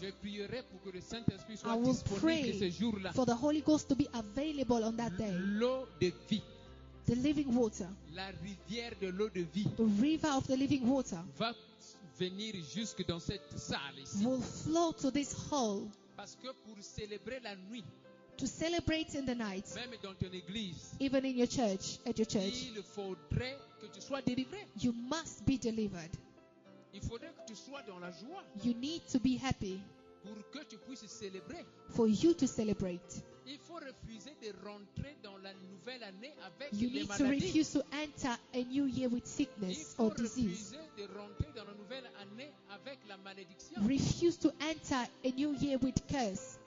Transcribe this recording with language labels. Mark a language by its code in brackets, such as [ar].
[fr] Je prierai pour que le Saint-Esprit soit disponible ce jour-là. [en] For the Holy Ghost to be available on that day. [fr] L'eau de vie. [en] The living water. [fr] La rivière de l'eau de vie. [en] The river of the living water. [fr] Va venir jusque dans cette salle ici. [en] Will flow to this hall. [fr] Parce que pour célébrer la nuit, [en] to celebrate in the night, [fr] même dans ton église, [en] even in your church, at your church, [fr] il faudrait que tu sois délivré. [en] You must be delivered. [fr] Il faudrait que tu sois dans la joie. [en] You need to be happy. [fr] Pour que tu puisses célébrer. [en] For you to celebrate. [fr] Il faut refuser de rentrer dans la nouvelle année avec [en] you [fr] les [en] need [fr] maladies. [en] To refuse to enter a new year with sickness or disease. [fr] Il faut refuser de rentrer dans la nouvelle année avec la malédiction. [en] Refuse to enter a new year with curse.